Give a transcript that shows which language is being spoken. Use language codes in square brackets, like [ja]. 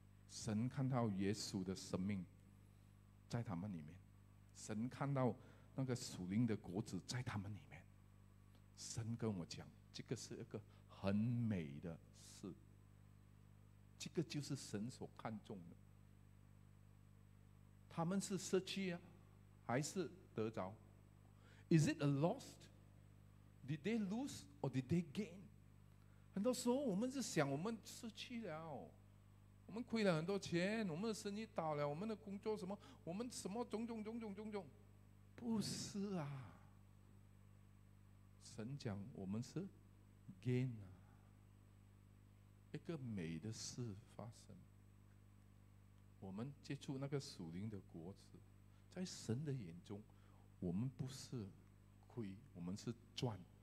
[zh] 神看到耶稣的生命在他们里面，神看到那个属灵的果子在他们里面。神跟我讲，这个是一个很美的事，这个就是神所看重的。他们是失去啊，还是得着？ [en] Is it a lost? Did they lose or did they gain? [zh] 很多时候我们是想我们失去了，我们亏了很多钱，我们的生意倒了，我们的工作什么，我们什么种种，不是啊。神讲我们是gain 啊，一个美的事发生，我们接触那个属灵的果子，在神的眼中我们不是亏，我们是赚。